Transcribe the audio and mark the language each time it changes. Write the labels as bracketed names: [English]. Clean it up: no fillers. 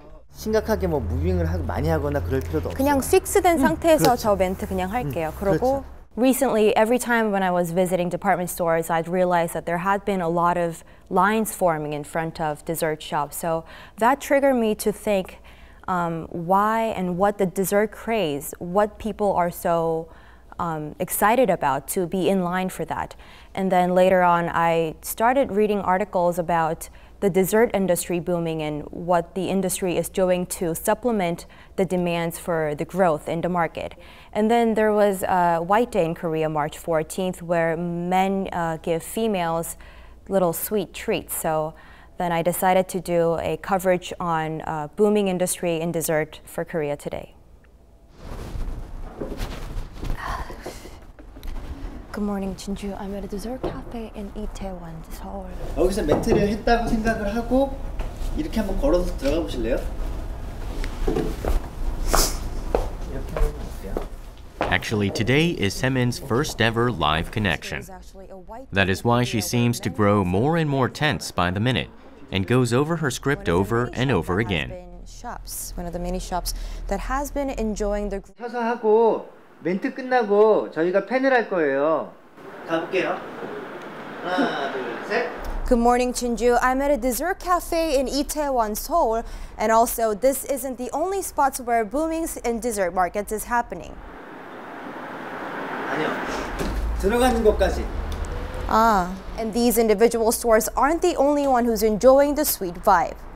[Korean] 심각하게 뭐 무빙을 많이 하거나 그럴 필요도 없어요. 그냥 픽스된 상태에서 저 멘트 그냥 할게요. 그리고 [English] recently, every time when I was visiting department stores, I'd realized that there had been a lot of lines forming in front of dessert shops. So that triggered me to think why and what the dessert craze, what people are so excited about to be in line for that. And then later on, I started reading articles about the dessert industry booming and what the industry is doing to supplement the demands for the growth in the market. And then there was White Day in Korea, March 14th, where men give females little sweet treats. So then I decided to do a coverage on booming industry in dessert for Korea Today. Good morning, Jinju. I'm at a dessert cafe in Itaewon, Seoul. [Korean] 여기서 멘트를 했다고 생각을 하고 이렇게 한번 걸어서 들어가 보실래요? [English] Actually, today is Se-min's first ever live connection. That is why she seems to grow more and more tense by the minute and goes over her script over and over again. One of the many shops that has been enjoying the... [Korean] 서서 하고 멘트 끝나고 저희가 팬을 할 거예요. 가볼게요. 하나, 둘, 셋. [English] Good morning, Jinju. I'm at a dessert cafe in Itaewon, Seoul. And also, this isn't the only spot where booming in dessert markets is happening. [Korean] 아니요. 들어가는 것까지. [English] Ah, and these individual stores aren't the only one who's enjoying the sweet vibe.